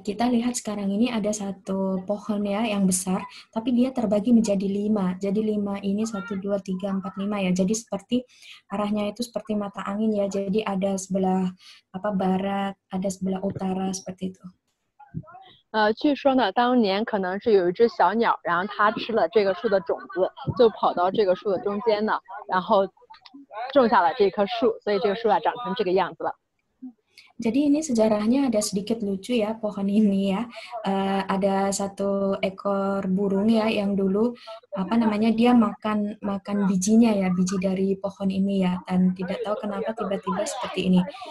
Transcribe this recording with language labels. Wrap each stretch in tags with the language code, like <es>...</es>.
<id>Kita lihat sekarang ini ada satu pohon ya yang besar, tapi dia terbagi menjadi lima. Jadi lima ini 1, 2, 3, 4, 5 ya. Jadi seperti arahnya itu seperti mata angin ya. Jadi ada sebelah apa barat, ada sebelah utara seperti itu.</id> <zh>据说呢，当年可能是有一只小鸟，然后它吃了这个树的种子，就跑到这个树的中间呢，然后种下了这棵树，所以这个树啊长成这个样子了。</zh> <id>Jadi ini sejarahnya ada sedikit lucu ya pohon ini ya. Ada satu ekor burung ya yang dulu apa namanya dia makan bijinya ya, biji dari pohon ini ya. Dan tidak tahu kenapa tiba-tiba seperti ini.</id>